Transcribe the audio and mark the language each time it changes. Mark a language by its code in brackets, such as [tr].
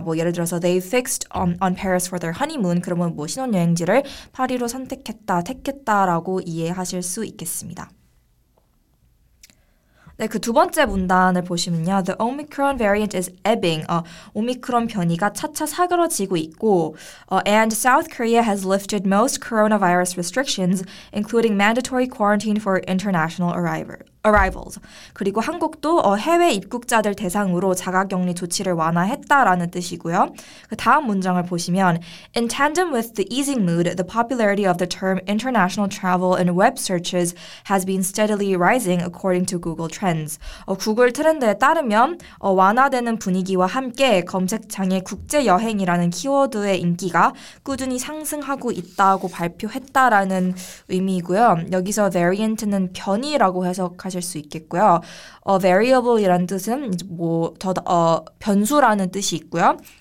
[ko] 뭐 예를 들어서 [en] they fixed on Paris for their honeymoon. [ko] 그러면 뭐 신혼여행지를 파리로 선택했다, 택했다라고 이해하실 수 있겠습니다. 네, 그 두 번째 문단을 보시면요. [en] The Omicron variant is ebbing. [ko] 오미크론 변이가 차차 사그러지고 있고 [en] and South Korea has lifted most coronavirus restrictions, including mandatory quarantine for international arrivals. [ko] 그리고 한국도 해외 입국자들 대상으로 자가격리 조치를 완화했다라는 뜻이고요. 그 다음 문장을 보시면 [en] In tandem with the easing mood, the popularity of the term international travel in web searches has been steadily rising according to Google Trends. [ko] 구글 트렌드에 따르면 완화되는 분위기와 함께 검색창에 국제여행이라는 키워드의 인기가 꾸준히 상승하고 있다고 발표했다라는 의미이고요. 여기서 variant는 변이라고 해석 하실 수 있겠고요. Variable이라는 뜻은 뭐 더 변수라는 뜻이 있고요.